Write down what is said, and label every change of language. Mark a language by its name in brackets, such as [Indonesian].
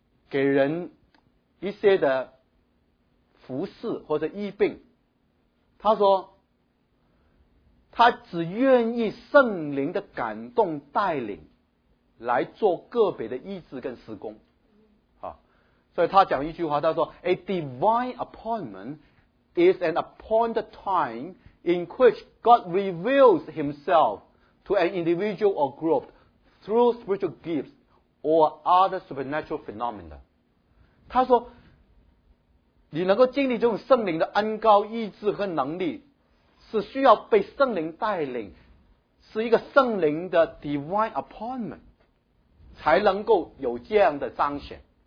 [Chinese] 给人一些的服侍或者医病，他说他只愿意圣灵的感动带领来做个别的医治跟施工啊。所以他讲一句话，他说 [English] A divine appointment is an appointed time in which God reveals himself to an individual or group through spiritual gifts or other supernatural phenomena。 [Chinese] 他说你能够经历这种圣灵的恩膏、医治和能力，是需要被圣灵带领，是一个圣灵的 [English] divine appointment， [Chinese] 才能够有这样的彰显。